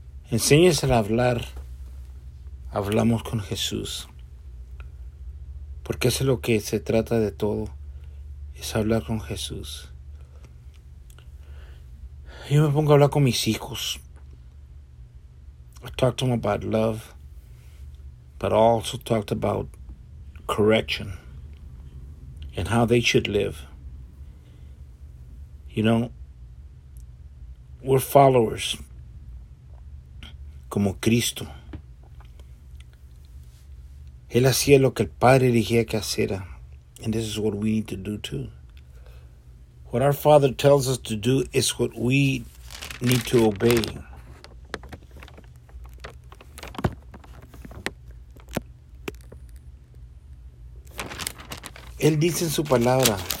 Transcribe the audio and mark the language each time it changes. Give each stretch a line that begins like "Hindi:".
Spanish: Enséñese a hablar. Hablamos con Jesús, porque eso es lo que se trata de todo, es hablar con Jesús. Yo me pongo a hablar con mis hijos.
English: I talked to them about love, but I also talked about correction and how they should live. You know, we're followers
Spanish: como Cristo. Él hacía lo que el Padre dijera que hiciera.
English: And this is what we need to do too. What our Father tells us to do is what we need to obey.
Spanish: Él dice en su palabra.